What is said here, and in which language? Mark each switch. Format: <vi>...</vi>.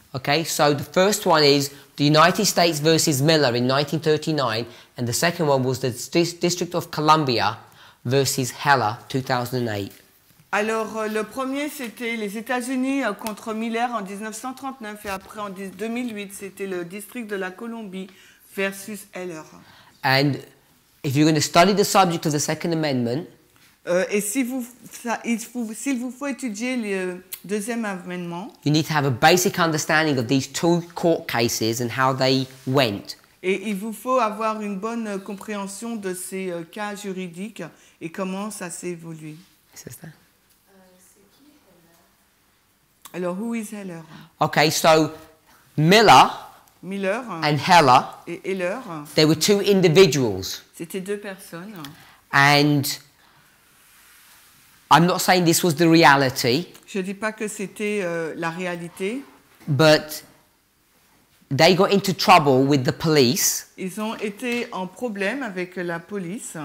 <en>Okay, so the first one is the United States versus Miller in 1939, and the second one was the District of Columbia versus Hella, 2008.</en> <fr>Alors, le premier, c'était les États-Unis contre Miller en 1939, et après, en 2008, c'était le District de la Colombie versus Heller.</fr> <en>And if you're going to study the subject of the Second Amendment,</en> <fr>Et si vous, ça, s'il vous faut étudier le deuxième amendement,</fr> <en>you need to have a basic understanding of these two court cases and how they went.</en> <fr>Et il vous faut avoir une bonne compréhension de ces cas juridiques et comment ça s'est évolué. C'est ça.</fr> <en>Alors, who is Heller? Okay, so Miller.</en> <fr>Miller.</fr> <en>And Heller.</en> <fr>Et Heller.</fr> <en>They were two individuals.</en> <fr>C'était deux personnes.</fr> <en>And I'm not saying this was the reality.</en> <fr>Je dis pas que c'était la réalité.</fr> <en>But they got into trouble with the police.</en> <fr>Ils ont été en problème avec la police.</fr>